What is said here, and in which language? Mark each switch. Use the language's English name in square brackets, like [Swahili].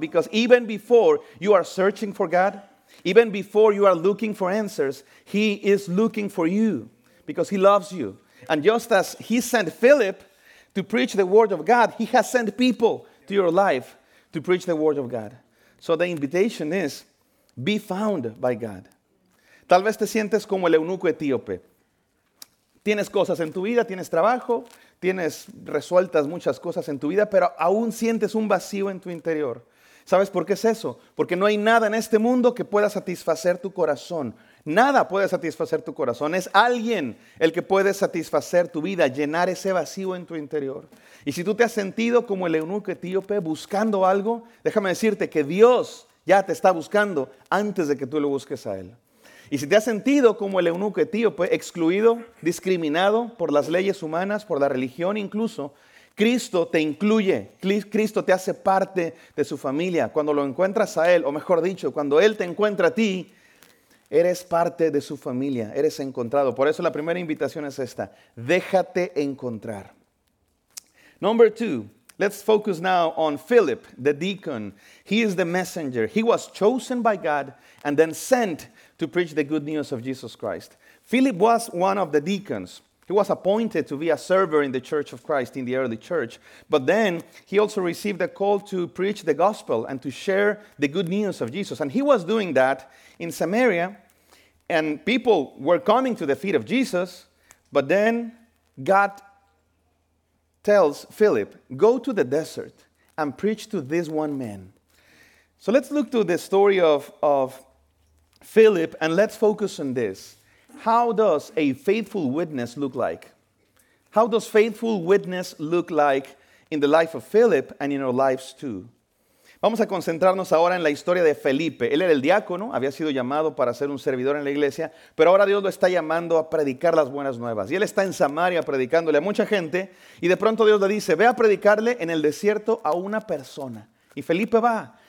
[English] Because even before you are searching for God, even before you are looking for answers, He is looking for you because He loves you. And just as He sent Philip to preach the word of God, He has sent people to your life to preach the word of God. So the invitation is, be found by God. [Spanish] Tal vez te sientes como el eunuco etíope. Tienes cosas en tu vida, tienes trabajo, tienes resueltas muchas cosas en tu vida, pero aún sientes un vacío en tu interior. ¿Sabes por qué es eso? Porque no hay nada en este mundo que pueda satisfacer tu corazón. Nada puede satisfacer tu corazón. Es alguien el que puede satisfacer tu vida, llenar ese vacío en tu interior. Y si tú te has sentido como el eunuco etíope buscando algo, déjame decirte que Dios ya te está buscando antes de que tú lo busques a Él. Y si te has sentido como el eunuco etíope, excluido, discriminado por las leyes humanas, por la religión incluso, Cristo te incluye, Cristo te hace parte de su familia. Cuando lo encuentras a Él, o mejor dicho, cuando Él te encuentra a ti, eres parte de su familia, eres encontrado. Por eso la primera invitación es esta, déjate encontrar. [English] Number two, let's focus now on Philip, the deacon. He is the messenger. He was chosen by God and then sent to preach the good news of Jesus Christ. Philip was one of the deacons. He was appointed to be a server in the church of Christ in the early church. But then he also received a call to preach the gospel and to share the good news of Jesus. And he was doing that in Samaria. And people were coming to the feet of Jesus. But then God tells Philip, go to the desert and preach to this one man. So let's look to the story of Philip, and let's focus on this. How does a faithful witness look like? How does faithful witness look like in the life of Philip and in our lives too? [Spanish] Vamos a concentrarnos ahora en la historia de Felipe. Él era el diácono, había sido llamado para ser un servidor en la iglesia, pero ahora Dios lo está llamando a predicar las buenas nuevas. Y él está en Samaria predicándole a mucha gente, y de pronto Dios le dice, ve a predicarle en el desierto a una persona. Y Felipe va.